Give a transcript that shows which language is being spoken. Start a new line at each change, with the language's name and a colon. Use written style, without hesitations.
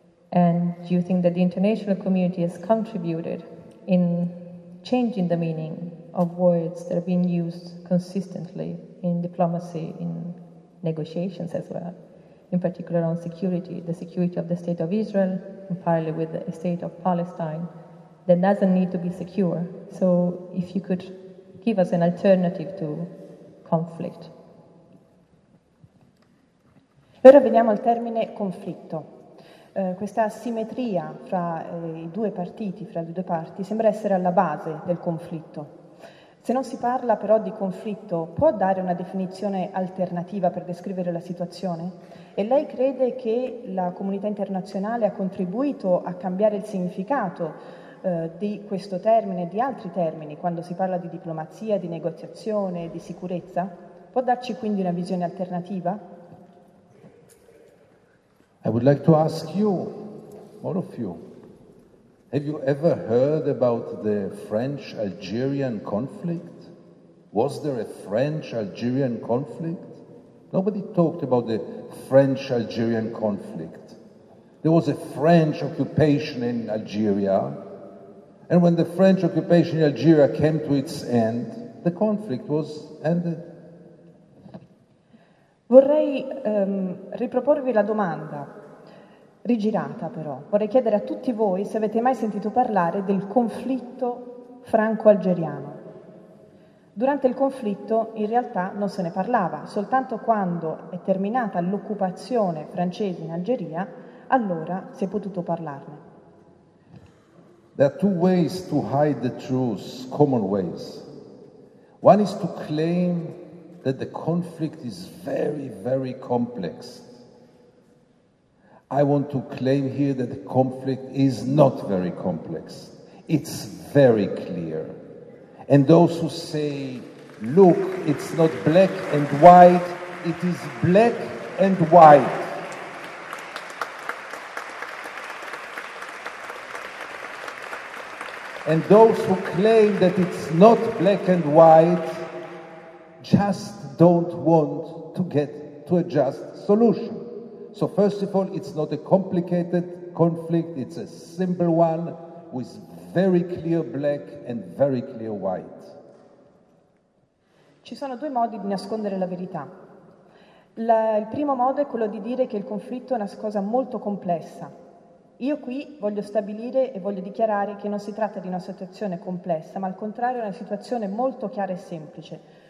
English: And do you think that the international community has contributed in changing the meaning of words that have been used consistently in diplomacy, in negotiations as well, in particular on security, the security of the state of Israel, in parallel with the state of Palestine, that doesn't need to be secure? So if you could give us an alternative to conflict.
Italian: Ora veniamo al termine conflitto. Questa asimmetria fra i due partiti, fra le due parti, sembra essere alla base del conflitto. Se non si parla però di conflitto, può dare una definizione alternativa per descrivere la situazione? E lei crede che la comunità internazionale ha contribuito a cambiare il significato di questo termine e di altri termini quando si parla di diplomazia, di negoziazione, di sicurezza? Può darci quindi una visione alternativa?
English: I would like to ask you, all of you, have you ever heard about the French-Algerian conflict? Was there a French-Algerian conflict? Nobody talked about the French-Algerian conflict. There was a French occupation in Algeria, and when the French occupation in Algeria came to its end, the conflict was ended.
Italian: Vorrei riproporvi la domanda, rigirata però. Vorrei chiedere a tutti voi se avete mai sentito parlare del conflitto franco-algeriano. Durante il conflitto in realtà non se ne parlava, soltanto quando è terminata l'occupazione francese in Algeria, allora si è potuto parlarne.
English: There are two ways to hide the truth, common ways. One is to claim that the conflict is very, very complex. I want to claim here that the conflict is not very complex. It's very clear. And those who say, look, it's not black and white, it is black and white. And those who claim that it's not black and white just don't want to get to a just solution. So first of all, it's not a complicated conflict, it's a simple one with very clear black and very clear white.
Italian: Ci sono due modi di nascondere la verità. Il primo modo è quello di dire che il conflitto è una cosa molto complessa. Io qui voglio stabilire e voglio dichiarare che non si tratta di una situazione complessa, ma al contrario è una situazione molto chiara e semplice.